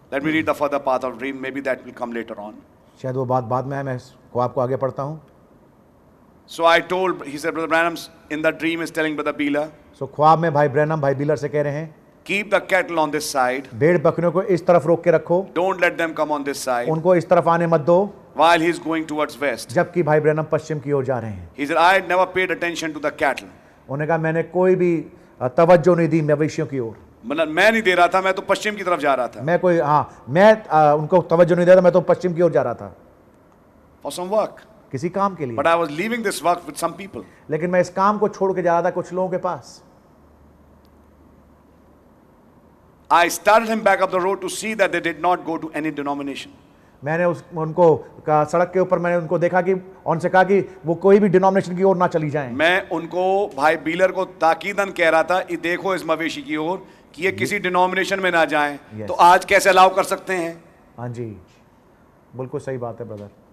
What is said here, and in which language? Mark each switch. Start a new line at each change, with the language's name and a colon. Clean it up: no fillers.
English: Let me read the further path of dream. Maybe that will come later on.
Hindi: शायद वो बात बाद में है. मैं को आपको आगे पढ़ता हूँ.
English: So I told, he said, Brother Branham, in the dream is telling Brother Beeler.
Hindi: So ख्वाब में भाई ब्रैनम भाई बीलर से कह रहे हैं.
English: Keep the cattle on this side.
Hindi: भेड़ बकरियों को इस तरफ रोक के रखो.
English: Don't let them come on this side.
Hindi: उनको इस तरफ आने मत दो.
English: While he is going towards west.
Hindi: जबकि भाई ब्रैनम पश्चिम की ओर जा रहे हैं.
English: He said, I never paid attention to the cattle.
Hindi: उन्हें कहा मैंने कोई भी तवज्जो नहीं दी मवेशियों की ओर. मतलब मैं नहीं दे रहा था, मैं तो पश्चिम की तरफ जा रहा था. मैं कोई हाँ मैं उनको तवज्जो नहीं दे रहा, मैं तो पश्चिम की ओर जा रहा था.
English: For some work.
Hindi: किसी काम के लिए.
English: But I was leaving this work with some people.
Hindi: लेकिन मैं इस काम को छोड़ के जा रहा था कुछ लोगों के पास.
English: I started him back up the road to see that they did not go to any denomination.
Hindi: मैंने उनको सड़क के ऊपर मैंने उनको देखा कि उनसे कहा कि वो कोई भी डिनोमिनेशन की ओर ना चली जाएं. मैं उनको भाई बीलर को ताकीदन कह रहा था कि देखो इस मवेशी की ओर कि ये किसी डिनोमिनेशन में ना जाएं.
English: yes.
Hindi: तो आज कैसे अलाउ कर सकते हैं. हाँ जी बिल्कुल सही बात है ब्रदर.